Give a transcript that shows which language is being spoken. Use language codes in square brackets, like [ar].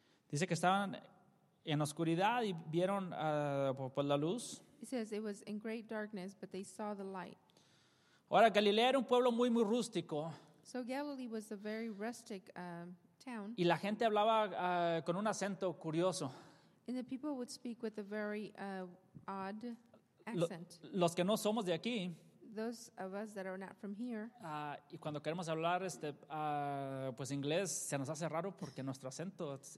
[es] dice que estaban en oscuridad y vieron por la luz. [en] It says it was in great darkness, but they saw the light. [es] Ahora, Galilea era un pueblo muy, muy rústico. [en] So Galilee was a very rustic town. [es] Y la gente hablaba con un acento curioso. [en] And the people would speak with a very odd accent. [es] Los que no somos de aquí. [en] Those of us that are not from here. [es] Y cuando queremos hablar pues inglés, se nos hace raro porque nuestro acento.